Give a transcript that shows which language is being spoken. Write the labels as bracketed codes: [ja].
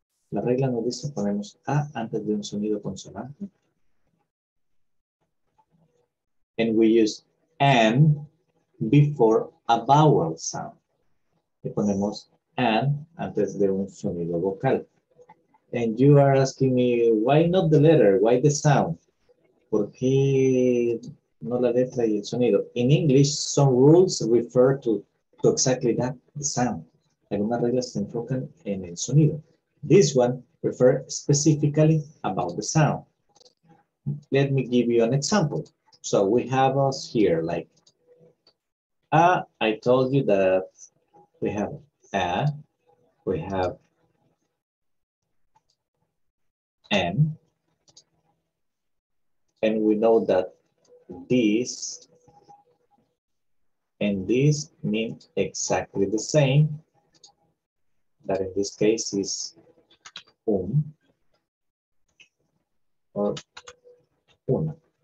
[es] La regla nos dice ponemos A antes de un sonido consonante. [en] And we use an before a vowel sound. [es] Y ponemos an antes de un sonido vocal. [en] And you are asking me, why not the letter? Why the sound? [es] ¿Por qué no la letra y el sonido? [en] In English, some rules refer to exactly that, the sound. [es] Algunas reglas se enfocan en el sonido. [en] This one refers specifically about the sound. Let me give you an example. So we have us here, like, I told you that we have a, we have an, and we know that this and this mean exactly the same, that in this case is un or una.